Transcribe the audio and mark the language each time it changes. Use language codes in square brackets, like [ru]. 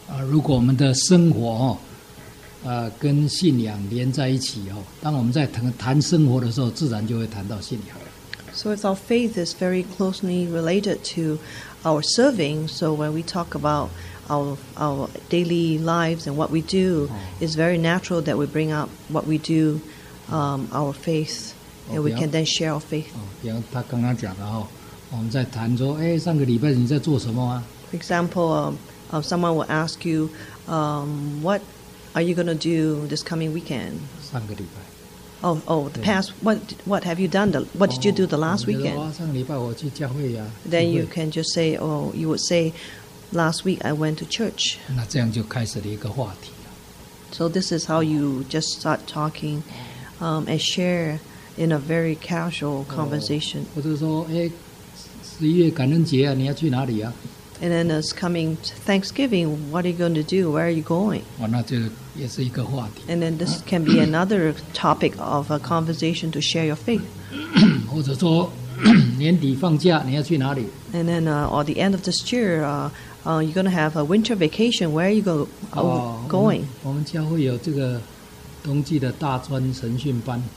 [zh] 如果我们的生活跟信仰连在一起当我们在谈生活的时候，自然就会谈到信仰。 [en] So if our faith is very closely related to our serving, so when we talk about our daily lives and what we do, it's very natural that we bring up what we do, our faith, and we can then share our faith. [zh] 比如他刚刚讲的我们在谈说，上个礼拜你在做什么啊？ [en] For example. Someone will ask you, what are you going to do this coming weekend? [zh] 上个礼拜。 [en] The past, what have you done? What did you do the last weekend? [zh] 上个礼拜我去教会呀。 [en] Then you can just say, you would say, last week I went to church. [zh] 那这样就开始了一个话题了。 [en] So this is how you just start talking, and share in a very casual conversation. [zh] 或者说，十一月感恩节啊，你要去哪里啊？ [en] And then it's coming Thanksgiving. What are you going to do? Where are you going? [zh] 那这也是一个话题。 [en] And then this can be another topic of a conversation to share your faith. [zh] 或者说年底放假你要去哪里？ [en] And then at the end of this year, you're going to have a winter vacation. Where are you going? [zh] 我们教会有这个冬季的大专神训班。